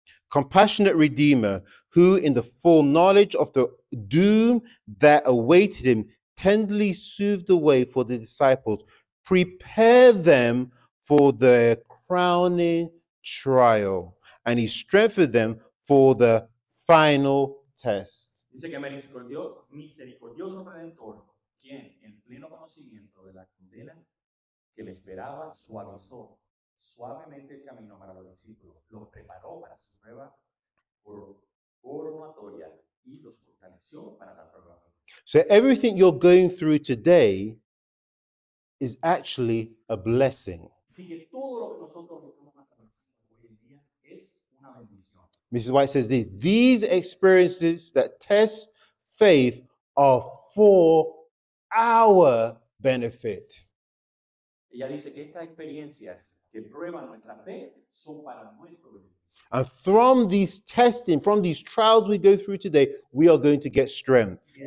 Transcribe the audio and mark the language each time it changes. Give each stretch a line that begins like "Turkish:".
English: Compassionate Redeemer, who in the full knowledge of the doom that awaited him, tenderly smoothed the way for the disciples, prepare them for their crowning trial. And he strengthened them for the final test.
Spanish: Dice que misericordioso Redentor, quien en pleno conocimiento de la condena que le esperaba, suavizó suavemente el camino para los discípulos, los preparó para su prueba coronatoria y los fortaleció para la prueba.
English: So everything you're going through today is actually a blessing.
Spanish: Así que todo lo que nosotros estamos atravesando hoy en día es una bendición.
English: Mrs. White says this: these experiences that test faith are for our benefit.
Spanish: Ella dice que estas experiencias que prueban nuestra fe son para nuestro beneficio.
English: And from these testing, from these trials we go through today, we are going to get strength.